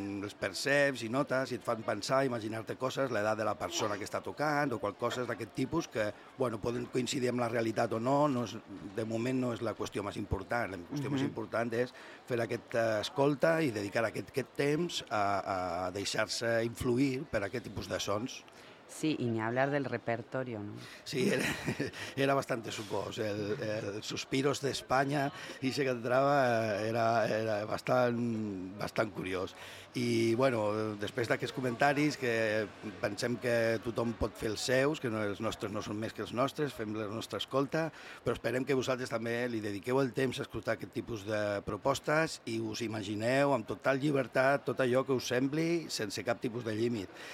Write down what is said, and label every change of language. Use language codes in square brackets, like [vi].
[ca] els perceps i notes i et fan pensar, imaginar-te coses, l'edat de la persona que està tocant o qualcosa d'aquest tipus que, bueno, poden coincidir amb la realitat o no, no és, de moment no és la qüestió més important. La qüestió més important és fer aquesta escolta i dedicar aquest temps a deixar-se influir per aquest tipus de sons. [es] Sí, y ni hablar del repertorio, ¿no? Sí, era bastante sucoso. El Suspiros de España, y se cantaba, era bastante curioso. [ca] I, bueno, després d'aquests comentaris, que pensem que tothom pot fer els seus, que no, els nostres no són més que els nostres, fem la nostra escolta, però esperem que vosaltres també li dediqueu el temps a escoltar aquest tipus de propostes i us imagineu amb total llibertat tot allò que us sembli, sense cap tipus de límit.